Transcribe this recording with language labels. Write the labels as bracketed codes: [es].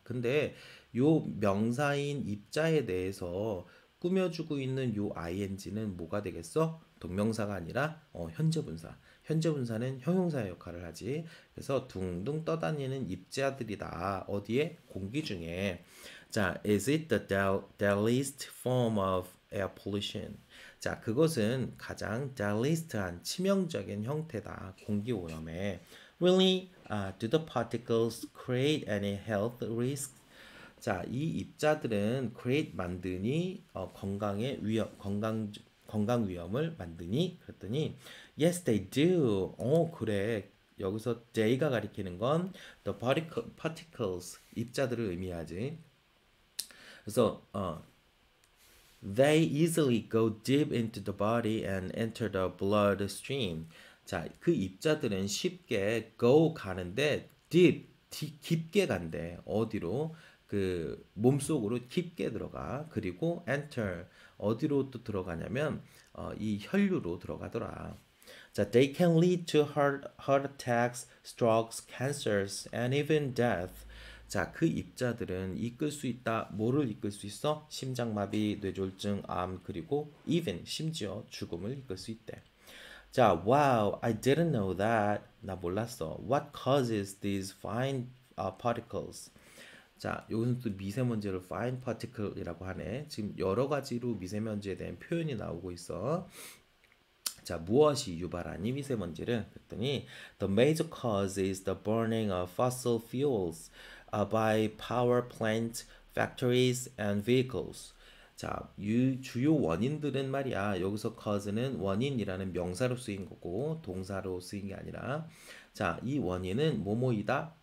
[ko] 근데 요 명사인 입자에 대해서 꾸며주고 있는 요 ing는 뭐가 되겠어? 동명사가 아니라 현재분사. 현재분사는 형용사의 역할을 하지. 그래서 둥둥 떠다니는 입자들이다. 어디에? 공기 중에. [en] 자, is it the deadliest form of air pollution? [ko] 자, 그것은 가장 deadliest한 치명적인 형태다. 공기 오염에. [en] Really? Do the particles create any health risks? [ko] 자, 이 입자들은 create 만드니 건강 위험을 만드니? 그랬더니 [en] yes, they do. [ko] 그래. 여기서 they가 가리키는 건 the particles 입자들을 의미하지. [en] 그래서 they easily go deep into the body and enter the bloodstream. [ko] 자, 그 입자들은 쉽게 go 가는데 깊게 간대. 어디로? 그 몸속으로 깊게 들어가. 그리고 enter 어디로 또 들어가냐면 이 혈류로 들어가더라. [en] 자, they can lead to heart attacks, strokes, cancers, and even death. [ko] 자, 그 입자들은 이끌 수 있다. 뭐를 이끌 수 있어? 심장마비, 뇌졸중, 암, 그리고 even 심지어 죽음을 이끌 수 있대. [en] 자, wow, I didn't know that. [ko] 나 몰랐어. [en] What causes these fine particles? [ko] 자, 요건 또 미세먼지를 fine particle이라고 하네. 지금 여러 가지로 미세먼지에 대한 표현이 나오고 있어. 자, 무엇이 유발하니 미세먼지를? 그랬더니 [en] the major cause is the burning of fossil fuels. By power plant factories and vehicles. [ko] 자, 주요 원인들은 말이야. 여기서 cause는 원인이라는 명사로 쓰인 거고, 동사로 쓰인 게 아니라, 자, 이 원인은 뭐뭐이다?